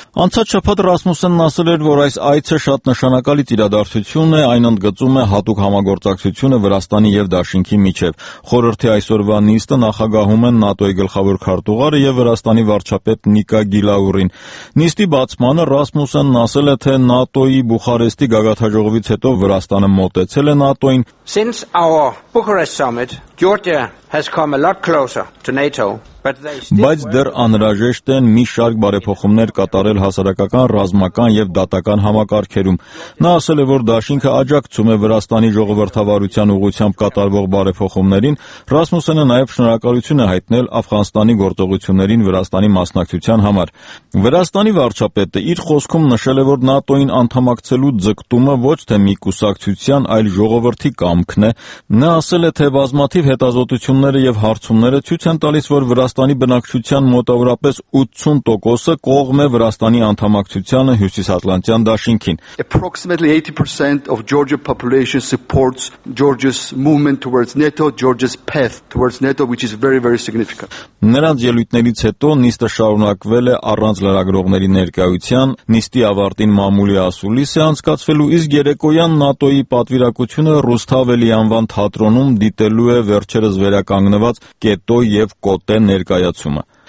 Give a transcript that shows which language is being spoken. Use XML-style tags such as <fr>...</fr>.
<hy>Անցած շաբաթ Ռասմուսենն ասել էր, որ այս այցը շատ նշանակալի իրադարձություն է, այն ընդգծում է հատուկ համագործակցությունը Վրաստանի և Դաշինքի միջև։ Խորհրդի այսօրվա նիստը նախագահում են ՆԱՏՕ-ի գլխավոր քարտուղարը և Վրաստանի վարչապետ Նիկա Գիլաուրին։ Նիստի բացմանը Ռասմուսենն ասել է, թե ՆԱՏՕ-ի Բուխարեստի գագաթաժողովից հետո Վրաստանը մոտեցել է ՆԱՏՕ-ին.</hy> <en>Since our Bucharest summit, Georgia has come a lot closer to NATO.</en> <hy>Բայց դեռ անհրաժեշտ են մի շարք բարեփոխումներ կատարել հասարակական, ռազմական և դատական համակարգերում։ Նա ասել է, որ Դաշինքը աջակցում է Վրաստանի ժողովրդավարության ուղղությամբ կատարվող բարեփոխումներին։ Ռասմուսենը նաև շնորհակալություն է հայտնել Աֆղանստանի գործողություններին Վրաստանի մասնակցության համար։ Վրաստանի վարչապետը իր խոսքում նշել է, որ ՆԱՏՕ-ին անդամակցելու ձգտումը ոչ թե մի կուսակցության, այլ ժողովրդի կամքն է։ Նա ասել է, թե բազմաթիվ հետազոտությունները և հարցումները ցույց են տալիս, որ Վրաստանի բնակչության մոտավորապես 80%-ը կողմ է Վրաստանի անդամակցությանը Հյուսիսատլանտյան Դաշինքին։</hy> <en>Approximately 80% of Georgia population supports Georgia's movement towards NATO, Georgia's path towards NATO, which is very very significant.</en> <hy>Նրանց ելույթներից հետո նիստը շարունակվել է առանց լրագրողների ներկայության, նիստի ավարտին մամուլի ասուլիս է անցկացվելու, իսկ երեկոյան ՆԱՏՕ-ի պատվիրակությունը Ռուստավելի անվան թատրոնում դիտելու է վերջերս վերականգնված Կետո և Կոտե ներկայացումը։</hy>